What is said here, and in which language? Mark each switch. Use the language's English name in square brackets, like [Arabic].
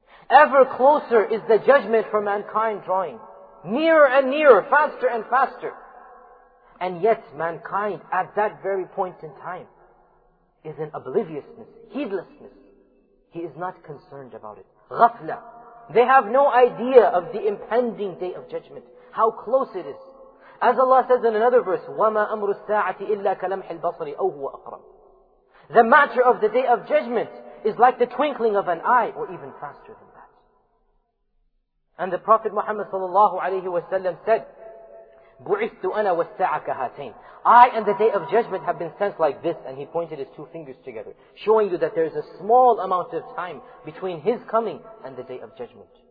[English] Ever closer is the judgment for mankind drawing. Nearer and nearer, faster and faster. And yet mankind at that very point in time is in obliviousness, heedlessness. He is not concerned about it. Ghafla. They have no idea of the impending day of judgment. How close it is. As Allah says in another verse, [Arabic] وَمَا أَمْرُ السَّاعَةِ إِلَّا كَلَمْحِ الْبَصْرِ أَوْ هُوَ أَقْرَبُ. [English] The matter of the day of judgment is like the twinkling of an eye, or even faster than that. And the Prophet Muhammad sallallahu alayhi wa sallam said, [Arabic] بُعِثْتُ أَنَا وَالسَّاعَةَ كَهَاتَيْنِ. [English] I and the day of judgment have been sent like this, and he pointed his two fingers together, showing you that there is a small amount of time between his coming and the day of judgment.